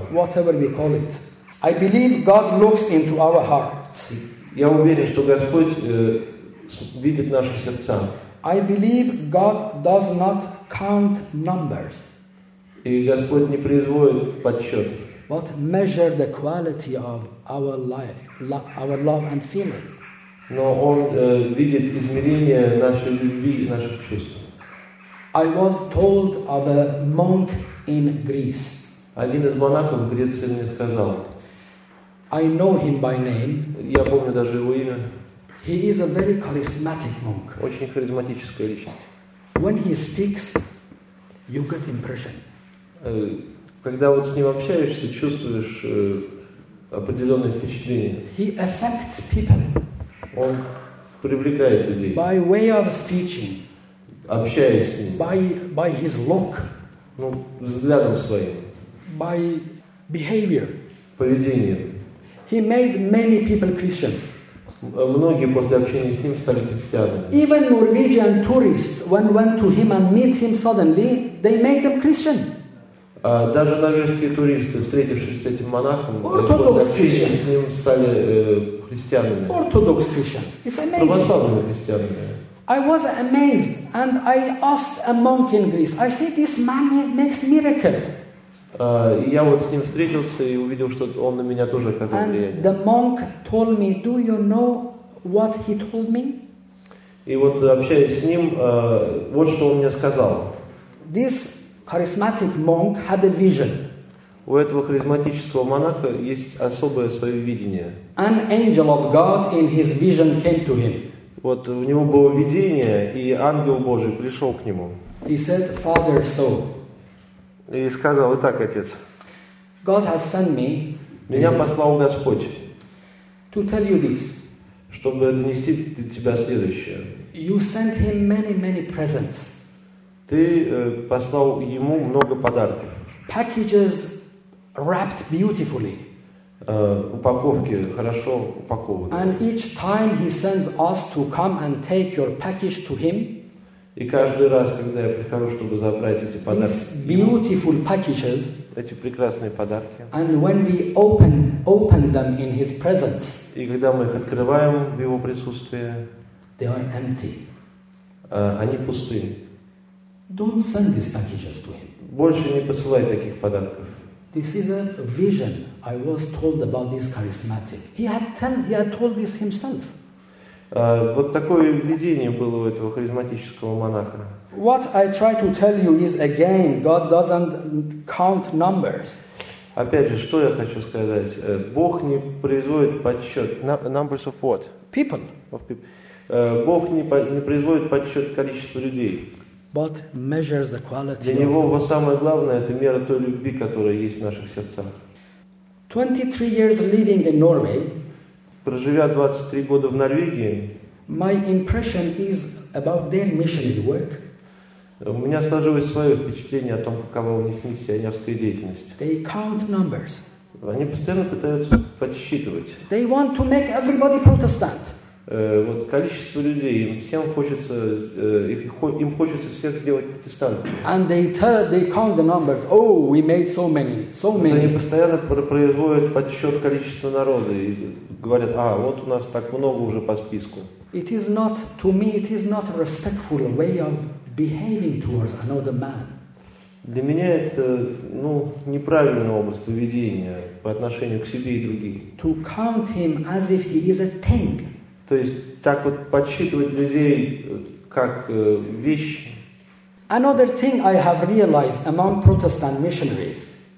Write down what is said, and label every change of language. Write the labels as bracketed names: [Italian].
[English] Whatever we call it. I believe God looks into our hearts. [Russian] Я уверен, что Господь видит наши сердца. [English] I believe God does not count numbers. [Russian] И Господь не производит подсчет. [English] But measure the quality of our life, our love and feeling. [Russian] Но Он видит измерение нашей любви и наших чувств. [English] I was told of a monk in Greece. [Russian] Один из монахов в Греции мне сказал. [English] I know him by name. [Russian] Я помню даже его имя. [English] He is a very charismatic monk. [Russian] Очень харизматическая личность. [English] When he speaks, you get impression. [Russian] Когда вот с ним общаешься, чувствуешь определенные впечатления. [English] He affects people. [Russian] Он привлекает людей. [English] By way of speaking. [Russian] Общаясь с ним. [English] By his look. [Russian] Ну, взглядом своим. [English] By behavior. [Russian] Поведением. [English] He made many people Christians. [Russian] Многие после общения с ним стали христианами. [English] Even Norwegian tourists, when went to him and meet him suddenly, they made him Christian. [Russian] Даже норвежские туристы, встретившись с этим монахом, после общения с ним стали христианами. [English] Orthodox Christians. It's amazing. [Russian] Православными христианами. [English] I was amazed, and I asked a monk in Greece. I said, "This man makes miracle." [Russian] Я вот с ним встретился и увидел, что он на меня тоже оказал [English] and [Russian] влияние. [English] The monk told me, "Do you know what he told me?" [Russian] И вот общаясь с ним, вот что он мне сказал. [English] This charismatic monk had a vision. [Russian] У этого харизматического монаха есть особое свое видение. [English] An angel of God in his vision came to him. [Russian] Вот у него было видение, и ангел Божий пришел к нему. [English] He said, "Father, so." [Russian] И сказал: "Итак, отец." [English] God has sent me. [Russian] Меня послал Господь. [English] To tell you this. [Russian] Чтобы донести до тебя следующее. [English] You sent him many, many presents. [Russian] Ты послал ему много подарков. [English] Packages wrapped beautifully. [Russian] Упаковки хорошо упакованы. [English] And each time he sends us to come and take your package to him. [Russian] И каждый раз, когда я прихожу, чтобы забрать эти подарки, [English] these beautiful packages, [Russian] эти прекрасные подарки, [English] and when we open them in his presence, [Russian] и когда мы их открываем в его присутствии, [English] they are empty. [Russian] Они пусты. [English] Don't send these packages to him. [Russian] Больше не посылай таких подарков. [English] This is a vision I was told about this charismatic. He had told this himself. [Russian] Вот такое видение было у этого харизматического монаха. [English] What I try to tell you is again, God doesn't count numbers. [Russian] Опять же, что я хочу сказать? Бог не производит подсчет. [English] Numbers of what? People. Of people. [Russian] Бог не производит подсчет количества людей. [English] But measures the quality. [Russian] Для него самое главное — это мера той любви, которая есть в наших сердцах. [English] 23 years living in Norway. [Russian] Проживя 23 года в Норвегии. [English] My impression is about their missionary work. [Russian] У меня сложилось свое впечатление о том, какова у них миссионерская деятельность. [English] They count numbers. [Russian] Они постоянно пытаются подсчитывать. [English] They want to make everybody Protestant. [Russian] Вот количество людей, им хочется всех сделать протестантами. [English] And they count the numbers. Oh, we made so many, so many. [Russian] Они постоянно производят подсчет количества народа и говорят: а вот у нас так много уже по списку. [English] It is not, to me, it is not a respectful way of behaving towards another man. [Russian] Для меня это, неправильный образ поведения по отношению к себе и другим. [English] To count him as if he is a thing. [Russian] То есть так вот подсчитывать людей как вещи. [English] Another thing I have realized among Protestant missionaries.